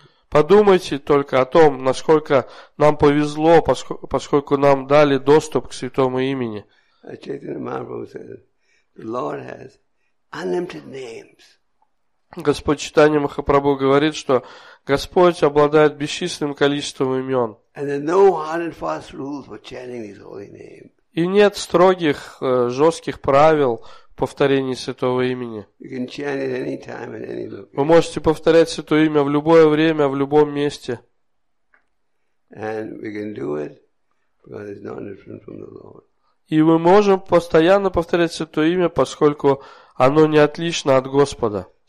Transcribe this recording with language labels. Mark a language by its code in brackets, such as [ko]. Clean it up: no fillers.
[ru] Подумайте только о том, насколько нам повезло, поскольку нам дали доступ к Святому Имени. [en] Chaitanya Mahaprabhu says, the Lord has unlimited names. [ru] Господь Чайтанья Махапрабху говорит, что Господь обладает бесчисленным количеством имен. [en] And there are no hard and fast rules for chanting His holy name. [ru] И нет строгих, жестких правил повторения Святого Имени. [en] You can chant it any time and any location. [ru] Вы можете повторять Святое Имя в любое время, в любом месте. [en] And we can do it because it's not different from the Lord. [ru] И мы можем постоянно повторять Святое Имя, поскольку оно не отлично от Господа.